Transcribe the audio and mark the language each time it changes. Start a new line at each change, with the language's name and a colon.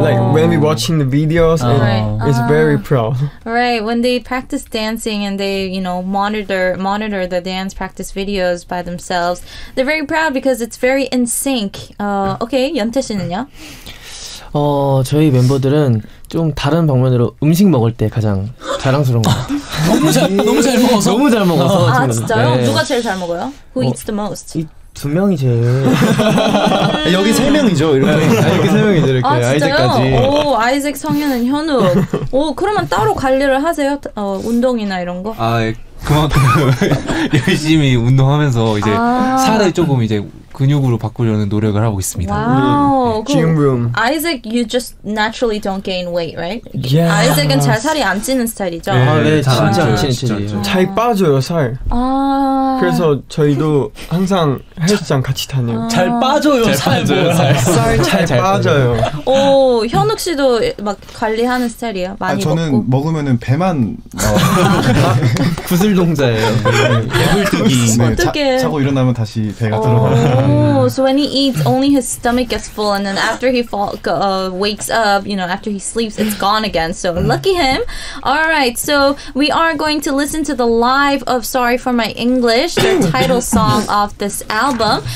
English: Like when we watching the videos, it's very proud. Right, when they practice dancing and they, you know, monitor the dance practice videos by themselves, they're very proud because it's very in sync.
Korean: Okay, 연태 씨는요? 저희 멤버들은 좀 다른 방면으로 음식 먹을 때 가장 자랑스러운 것 같아요. 너무 잘 먹어서? 너무 잘 먹어서. 아, 진짜요? 네. 누가 제일 잘 먹어요?
English: Who eats the most?
Korean: 이 두 명이 제일. 여기 세 명이죠, 이렇게. 아, 여기 세 명이죠, 이렇게. 아, 진짜요? 아이즈까지. 오, 아이즈, 성현은 현우. 오, 그러면 따로 관리를 하세요? 운동이나 이런 거? 아, 예. 그만큼 열심히 운동하면서 이제 살을 조금 이제 근육으로 바꾸려는 노력을 하고 있습니다. 짐룸.
English: Isaac, you just naturally don't gain weight, right? Yeah.
Korean: Isaac은 잘 살이 안 찌는 스타일이죠? 네, 아, 네 잘 진짜 안 찌는 스타일이에요. 잘 빠져요, 살. 아. 그래서 저희도 항상 헬스장 같이 다녀요. 잘 빠져요, 살. 살 잘 빠져요. 오, 현욱 씨도 막 관리하는 스타일이에요? 많이 먹고? 저는 먹으면 배만 구슬 동자예요. 개불뚝이. 어떡해. 자고 일어나면 다시 배가 들어가요.
English: So when he eats, only his stomach gets full, and then after he wakes up, you know, after he sleeps, it's gone again. So lucky him. All right, so we are going to listen to the live of Sorry for My English, the title song of this album.